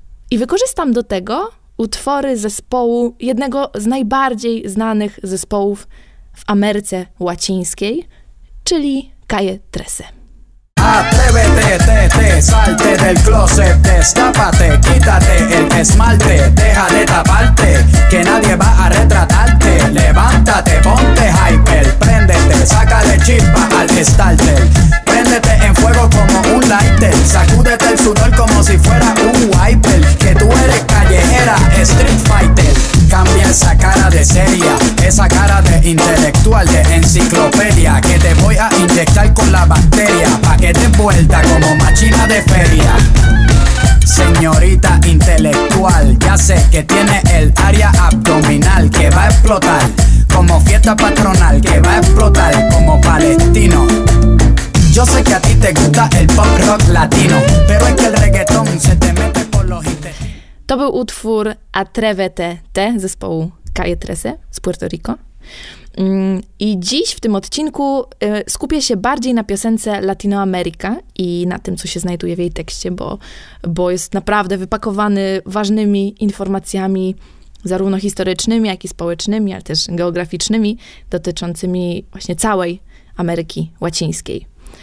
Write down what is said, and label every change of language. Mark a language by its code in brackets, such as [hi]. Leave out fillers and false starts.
[pl] I wykorzystam do tego utwory zespołu, jednego z najbardziej znanych zespołów w Ameryce Łacińskiej, czyli Calle 13. [es] Atrévete, salte del closet, destápate, quítate el esmalte, deja de taparte, que nadie va a retratarte, levántate, ponte hyper, préndete, sácale chispa al starter, préndete en fuego como un lighter, sacúdete el sudor como si fuera un wiper, que tú eres callejera, street fighter, cambia esa cara de seria, esa cara de intelectual, de enciclopedia, que te voy a inyectar con la bacteria, pa' que de vuelta como máquina de feria. Señorita intelectual, ya sé que tiene el área abdominal que va a explotar como fiesta patronal, que va a explotar como palestino. Yo sé que a ti te gusta el pop rock latino, pero es que el reggaetón se te mete por los intestinos. [pl] To był utwór Atrévete T zespołu Calle 13 z Puerto Rico. I dziś w tym odcinku skupię się bardziej na piosence Latino America i na tym, co się znajduje w jej tekście, bo jest naprawdę wypakowany ważnymi informacjami, zarówno historycznymi, jak i społecznymi, ale też geograficznymi, dotyczącymi właśnie całej Ameryki Łacińskiej.